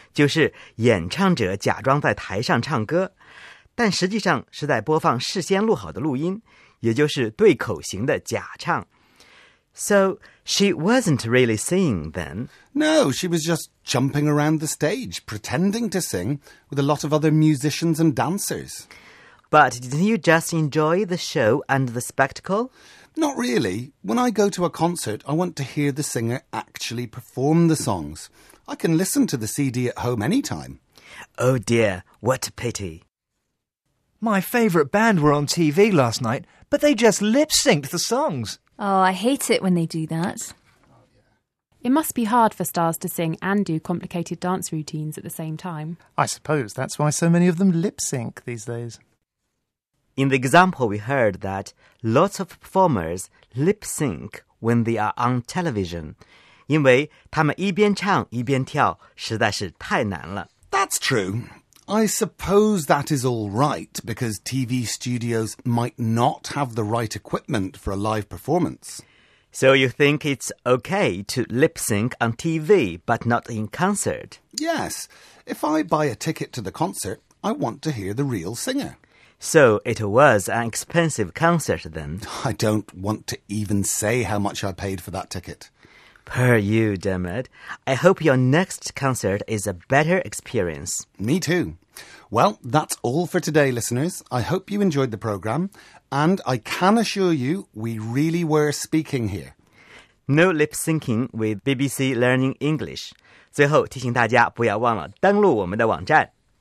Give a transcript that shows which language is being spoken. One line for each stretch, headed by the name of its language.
Chinese: 就是演唱者假装在台上唱歌，但实际上是在播放事先录好的录音，也就是对口型的假唱。
English: So, she wasn't really singing then? No, she was just jumping around the stage, pretending to sing with a lot of other musicians and dancers. But didn't you just enjoy the show and the spectacle? Not really. When I go to a concert, I want to hear the singer actually perform the songs. I can listen to the CD at home anytime. Oh dear, what a pity. My favourite band were on TV last night, but they just lip-synced the songs. Oh, I hate it when they do that. It must be hard for stars to sing and do complicated dance routines at the same time. I suppose that's why so many of them lip-sync these days. In the example, we heard that lots of performers lip-sync when they are on television.
Chinese: 因为他们一边唱一边跳实在是太难了。
English: That's true. I suppose that is all right, because TV studios might not have the right equipment for a live performance. So you think it's okay to lip-sync on TV, but not in concert? Yes. If I buy a ticket to the concert, I want to hear the real singer. So it was an expensive concert then? I don't want to even say how much I paid for that ticket. Per you, Dermot. I hope your next concert is a better experience. Me too. Well, that's all for today, listeners. I hope you enjoyed the program. And I can assure you, we really were speaking here. No lip syncing with BBC Learning English.
Chinese: 最后提醒大家不要忘了登录我们的网站。